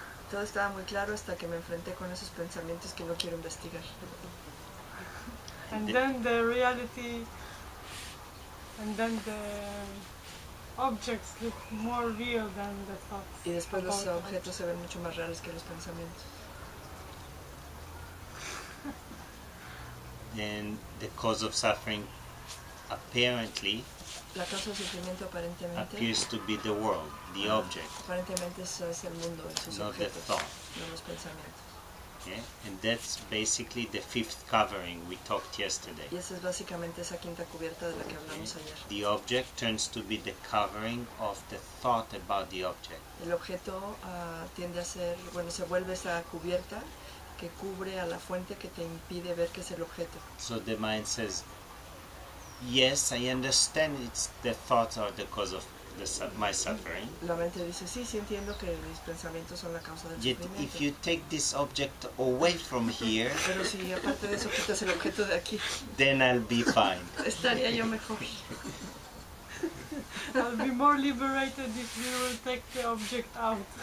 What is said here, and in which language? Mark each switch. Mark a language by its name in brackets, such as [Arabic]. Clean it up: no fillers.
[Spanish] Todo estaba muy claro hasta que me enfrenté con esos pensamientos que no quiero investigar. [English] And then the reality, and then the objects look more real than the thoughts. [Spanish] Y después los objetos se ven mucho más reales que los pensamientos. [English] Then the cause of suffering apparently [Spanish] la causa del sufrimiento aparentemente [English] appears to be the world, the object. [Spanish] Aparentemente eso es el mundo, esos [English] not [Spanish] objetos, [English] the thought. [Spanish] No los pensamientos. [English] Yeah? And that's basically the fifth covering we talked yesterday. [Spanish] Y esa es básicamente esa quinta cubierta de la que hablamos ayer. [English] The object turns to be the covering of the thought about the object. [Spanish] El objeto tiende a ser, bueno, se vuelve esa cubierta que cubre a la fuente que te impide ver que es el objeto. [English] So the mind says, yes, I understand it's the thoughts are the cause of the my suffering. [Spanish] La mente dice, sí, sí entiendo que mis pensamientos son la causa del sufrimiento. [English] Yet if you take this object away from here, [Spanish] pero si aparte de eso quitas el objeto de aquí, [English] then I'll be fine. [Spanish] Estaría yo mejor. [English] I'll be more liberated if you will take the object out.